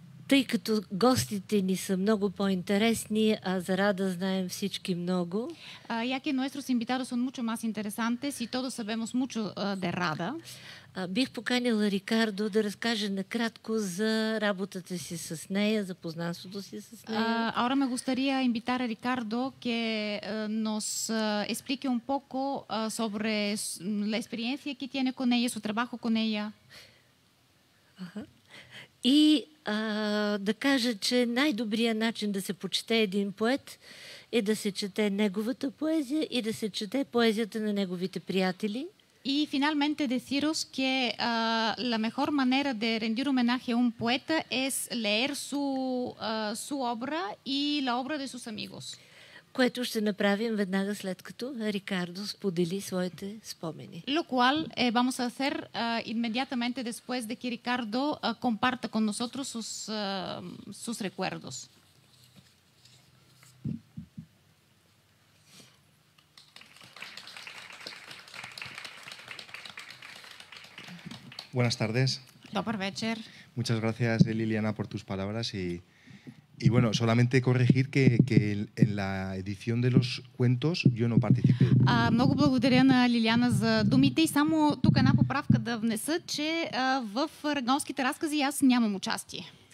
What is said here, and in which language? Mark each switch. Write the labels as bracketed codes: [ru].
[bg] Тъй като гостите ни са много по-интересни, а за Рада знаем всички много. [es] Ya que nuestros invitados son mucho más interesantes y todos sabemos mucho de Rada. [bg] Бих поканила Рикардо да разкаже накратко за работата си с нея, за познанството си с нея. [es] Ahora me gustaría invitar a Ricardo que nos explique un poco sobre la experiencia que tiene con ella, su trabajo con ella. [bg] И да кажа, че най-добрият начин да се почете един поет е да се чете неговата поезия и да се чете поезията на неговите приятели. [es] И финалменте deciros que la mejor manera de rendir homenaje a un poeta es leer su obra y la obra de sus amigos. [bg] Което ще направим веднага след като Рикардо сподели своите спомени. [es] Lo cual vamos a hacer inmediatamente después de que Ricardo comparta con nosotros sus recuerdos. Buenas tardes. [bg] Добър вечер. [es] Muchas gracias, Liliana, por tus palabras y bueno, solamente corregir que en la edición de los cuentos yo no participé. [bg] Много благодаря на Лиляна за думите и само тук една поправка да внеса, че в Рагонските разкази аз нямам участие.